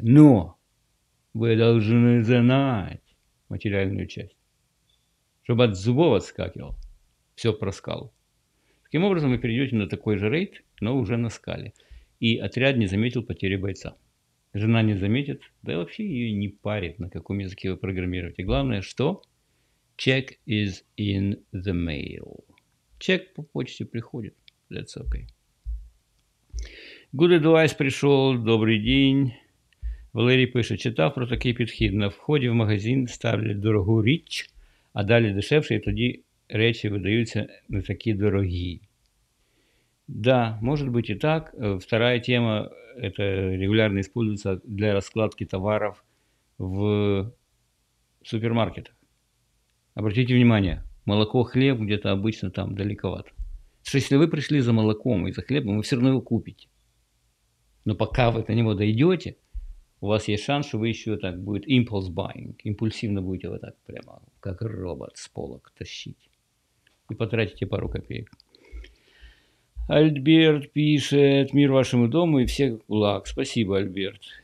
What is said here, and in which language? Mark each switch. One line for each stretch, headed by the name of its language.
Russian: Но вы должны знать материальную часть, чтобы от зубов отскакивал, все проскал. Таким образом, вы перейдете на такой же рейд, но уже на скале. И отряд не заметил потери бойца. Жена не заметит, да и вообще ее не парит, на каком языке вы программируете.
English: Главное, что check is in the mail.
Russian: Чек по почте приходит. That's okay.
English: Good advice пришел.
Russian: Добрый день.
Ukrainian: Валерий пишет, читав про такий підхід. На вході в магазин ставлять дорогу річ, а далі дешевше, і тоді речі видаються не такі дорогі. Да, може бути і так. Вторая тема, це регулярно використовується для розкладки товарів в супермаркетах.
Russian: Обратите внимание, молоко, хліб, где-то обычно там далековато.
Ukrainian: Що, якщо ви прийшли за молоком і за хлібом, ви все одно його купите.
Russian: Но поки ви до нього дійдете, у вас есть шанс, что вы еще так будет impulse buying. Импульсивно будете вот так прямо, как робот с полок тащить. И потратите пару копеек. Альберт пишет, мир вашему дому и всех благ. Спасибо, Альберт.